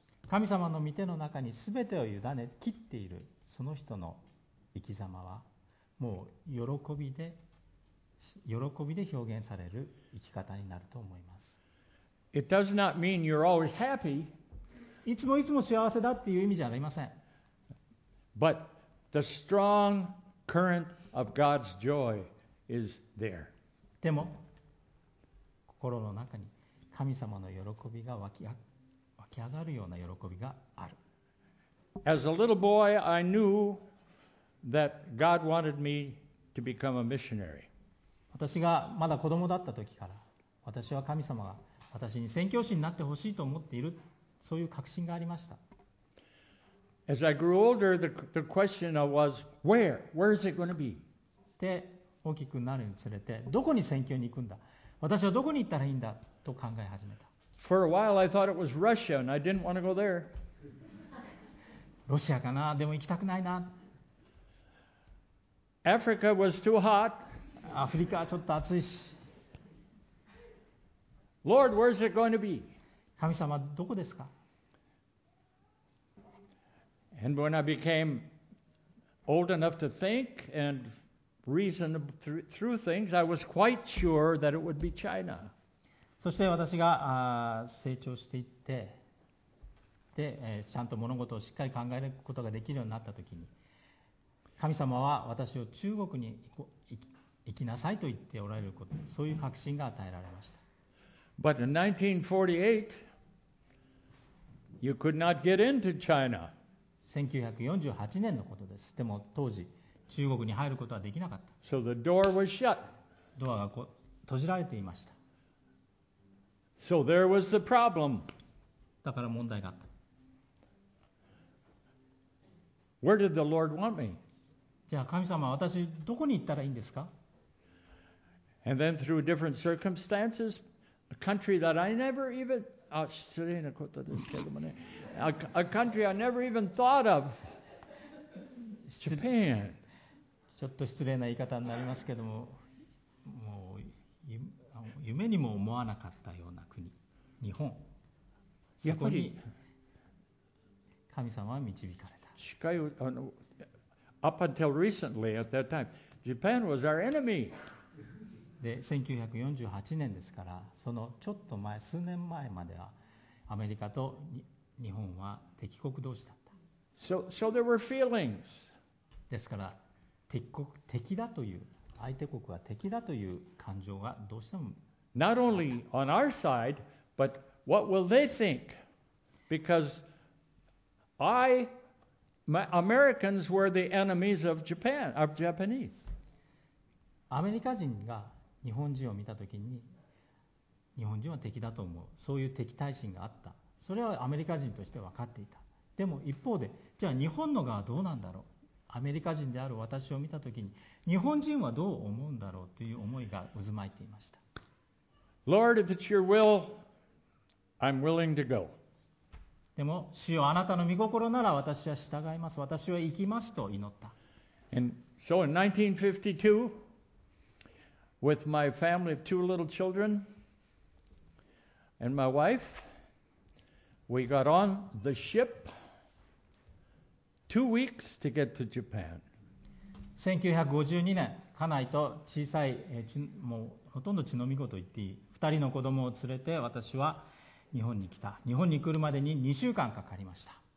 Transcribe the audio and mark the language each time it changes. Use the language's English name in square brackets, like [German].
[Japanese] 神様の御手の中にすべてを委ね切っているその人の生き様は、もう喜びで表現される生き方になると思います。 [English] It does not mean you're always happy. [Japanese] いつもいつも幸せだっていう意味じゃありません。 [English] But The strong current of God's joy is there. [Japanese] でも、心の中に神様の喜びが湧き上がるような喜びがある。 [English] As a little boy, I knew that God wanted me to become a missionary. [Japanese] 私がまだ子供だった時から、私は神様が私に宣教師になってほしいと思っている、そういう確信がありました。 [English] As I grew older, the question was, where is it going to be? [Japanese] で、大きくなるにつれて、どこに宣教に行くんだ、私はどこに行ったらいいんだと考え始めた。 [English] For a while, I thought it was Russia, and I didn't want to go there. [Japanese] ロシアかな、でも行きたくないな。 [English] Africa was too hot. [Japanese] アフリカはちょっと暑いし。 [English] Lord, where is it going to be? [Japanese] 神様、どこですか？ [English] And when I became old enough to think and reason through things, I was quite sure that it would be China. [Japanese] そして私が成長していって、で、ちゃんと物事をしっかり考えることができるようになったときに、神様は私を中国に行きなさいと言っておられること、そういう確信が与えられました。 [English] But in 1948, you could not get into China. [Japanese] 1948年のことです。でも当時、中国に入ることはできなかった。 [English] So the door was shut. [Japanese] ドアが閉じられていました。 [English] So there was the problem. [Japanese] だから問題があった。 [English] Where did the Lord want me? [Japanese] じゃあ神様は私、どこに行ったらいいんですか? [English] And then through different circumstances, a country that I never even... [Japanese] 失礼なことですけどもね。 [English] A country I never even thought of. Japan. [Japanese] ちょっと失礼な言い方になりますけども、もう夢にも思わなかったような国、日本。やっぱり神様は導かれた。近い、 [English] up until recently at that time, Japan was our enemy. [Japanese] で、1948年ですから、そのちょっと前、数年前までは、アメリカと日本は敵国同士だった。 [English] So there were feelings. [Japanese] ですから敵だという、相手国は敵だという感情がどうしても。 [English] Not only on our side, but what will they think? Because Americans were the enemies of Japan, of Japanese. [Japanese] アメリカ人が日本人を見たときに、日本人は敵だと思う。そういう敵対心があった。それはアメリカ人として分かっていた。でも一方で、じゃあ日本の側はどうなんだろう。アメリカ人である私を見たときに、日本人はどう思うんだろうという思いが渦巻いていました。 [English] Lord, if it's your will, I'm willing to go. [Japanese] でも、主よ、あなたの御心なら私は従います。私は行きますと祈った。 [English] And so in 1952, with my family of two little children,And my wife, we got on the ship 2 weeks to get to Japan. [Japanese] 1952年、家内と小さい、もうほとんど血のみ子と言っていい、2人の子供を連れて私は日本に来た。日本に来るまでに2週間かかりました。